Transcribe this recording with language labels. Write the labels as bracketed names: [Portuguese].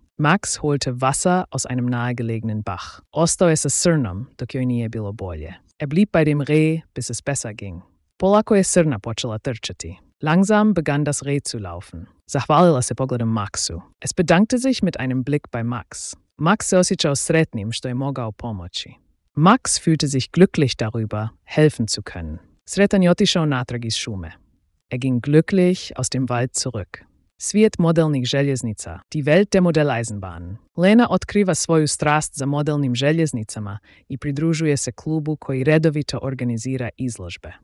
[German] Max holte Wasser aus einem nahegelegenen Bach. [Croatian] Ostao je sa srnom, dok joj nije bilo bolje. [German] Blieb bei dem Reh, bis es besser ging. [Croatian] Polako je srna počela trčati. [German] Langsam begann das Reh zu laufen. [Croatian] Zahvalila se pogledom Maxu. [German] Bedankte sich mit einem Blick bei Max. [Croatian] Max se osjećao sretnim što je mogao pomoći. [German] Max fühlte sich glücklich darüber, helfen zu können. [Croatian] Sretan je otišao natrag iz šume. [German] Ging glücklich aus dem Wald zurück. [Croatian] Svijet modelnih željeznica, [German] die Welt der Modelleisenbahnen. [Croatian] Lena otkriva svoju strast za modelnim željeznicama i pridružuje se klubu koji redovito organizira izložbe.